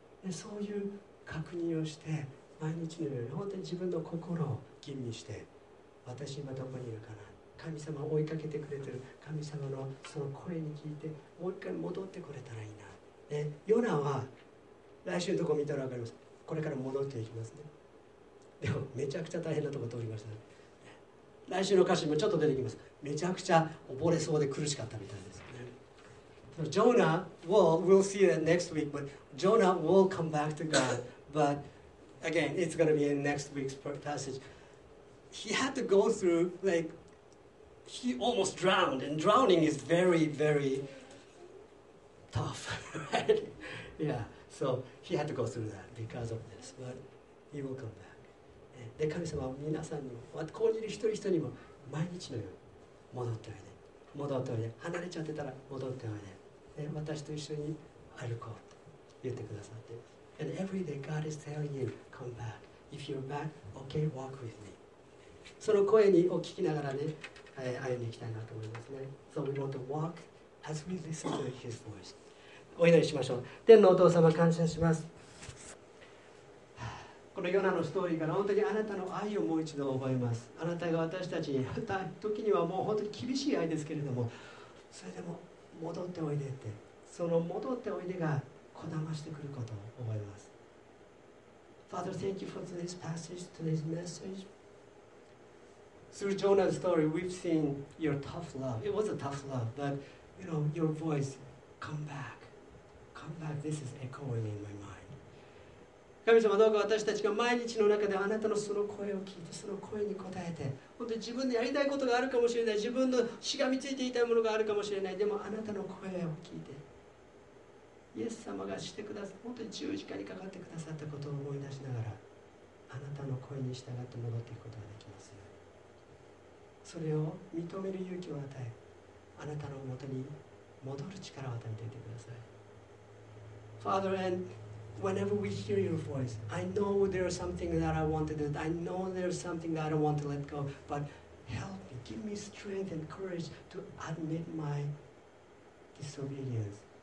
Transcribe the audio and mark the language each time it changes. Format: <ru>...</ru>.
<ja>そういう確認をして、毎日のように本当に自分の心を吟味して、私今どこにいるかな、神様を追いかけてくれてる神様のその声に聞いてもう一回戻ってくれたらいいな、ね、ヨナは来週のとこ見たら分かります。これから戻っていきますね。でもめちゃくちゃ大変なとこ通りました、ね、来週の歌詞もちょっと出てきます。めちゃくちゃ溺れそうで苦しかったみたいですね。</ja> <en>So Jonah we'll see that next week, but Jonah will come back to God, but again, it's going to be in next week's passage. He had to go through, like, he almost drowned, and drowning is very, very tough, right? Yeah, so he had to go through that because of this, but he will come back.</en> <ja>で、神様は皆さんにも、ここにいる一人一人にも、毎日のように戻っておいで。戻っておいで。離れちゃってたら戻っておいで。私と一緒に歩こうと言ってくださって。</ja> <en>And every day God is telling you, come back. If you're back, okay, walk with me.</en> <ja>その声にを聞きながらね、歩んでいきたいなと思いますね。</ja> <en>So we want to walk as we listen to His voice.</en> <ja>お祈りしましょう。天のお父様、感謝します。このヨナのストーリーから本当にあなたの愛をもう一度覚えます。あなたが私たちに、時にはもう本当に厳しい愛ですけれども、それでも戻っておいでって、その戻っておいでが、こだましてくることを覚えます。</ja> <en>Father, thank you for this passage, today's message. Through Jonah's story, we've seen your tough love. It was a tough love, but you know, your voice, come back. Come back, this is echoing in my mind.</en> <ja>神様、どうか私たちが毎日の中であなたのその声を聞いて、その声に応えて、本当に自分でやりたいことがあるかもしれない、自分のしがみついていたものがあるかもしれない、でもあなたの声を聞いて、イエス様がしてくださった、本当に十字架にかかってくださったことを思い出しながら、あなたの声に従って戻っていくことができますよ。それを認める勇気を与え、あなたのもとに戻る力を与えていてください。</ja> <en>Father, and whenever we hear your voice, I know there's something that I want to do, I know there's something that I don't want to let go, but help me, give me strength and courage to admit my disobedience.</en>